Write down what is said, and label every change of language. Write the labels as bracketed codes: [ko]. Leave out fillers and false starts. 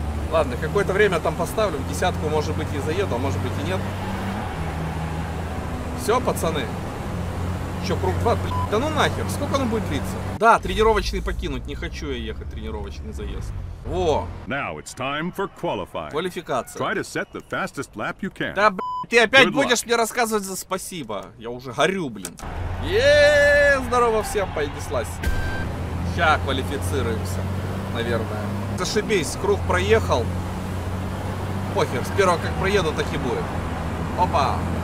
[ru] Ладно, какое-то время там поставлю. Десятку, может быть, и заеду, а может быть и нет. Все, пацаны. Еще круг два. Да ну нахер, сколько он будет длиться? Да, тренировочный покинуть. Не хочу я ехать тренировочный заезд. Во. [en] Now it's time for qualifying. [ru] Квалификация. [en] Try to set the fastest lap you can. [ru] Да, ты опять будешь мне рассказывать за спасибо. Я уже горю, блин. Еее, здорово всем, понеслась. Сейчас квалифицируемся, наверное. Зашибись, круг проехал. Похер, с первого как проеду, так и будет. Опа.